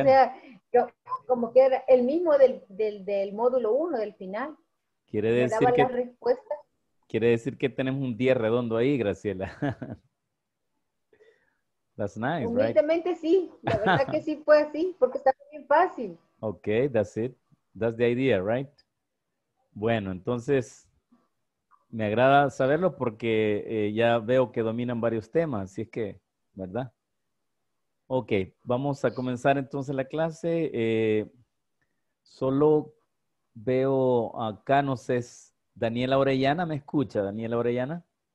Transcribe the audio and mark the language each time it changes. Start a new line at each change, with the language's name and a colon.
Spanish: O sea, yo como que era el mismo del módulo 1, del final. Quiere decir que... Me daba la respuesta. Quiere decir que tenemos un 10 redondo ahí, Graciela.
English: That's nice,
Spanish: humildemente,
English: right?
Spanish: Humildemente sí. La verdad que sí fue así, porque está bien fácil.
English: Ok, that's it. That's the idea, right?
Spanish: Bueno, entonces... Me agrada saberlo porque ya veo que dominan varios temas, así es que, ¿verdad? Ok, vamos a comenzar entonces la clase. Solo veo acá, no sé, Daniela Orellana, ¿me escucha Daniela Orellana?